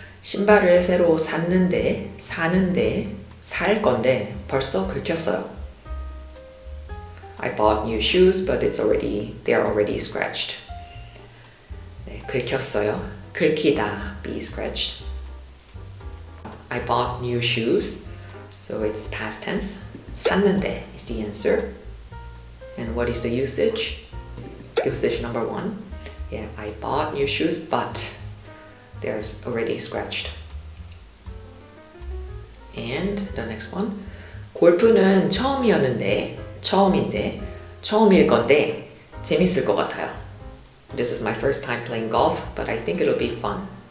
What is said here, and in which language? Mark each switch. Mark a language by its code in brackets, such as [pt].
[ko] 신발을 새로 샀는데, 사는데, 살 건데 벌써 긁혔어요. [en] I bought new shoes, but they are already scratched. [ko] 네, 긁혔어요. 긁히다, [en] be scratched. I bought new shoes, so it's past tense. [ko] 샀는데 [en] is the answer. And what is the usage? Usage number one. Yeah, I bought new shoes, but they're already scratched. And the next one. [ko] 골프는 처음일 건데 재밌을 것 같아요. [en] This is my first time playing golf, but I think it'll be fun.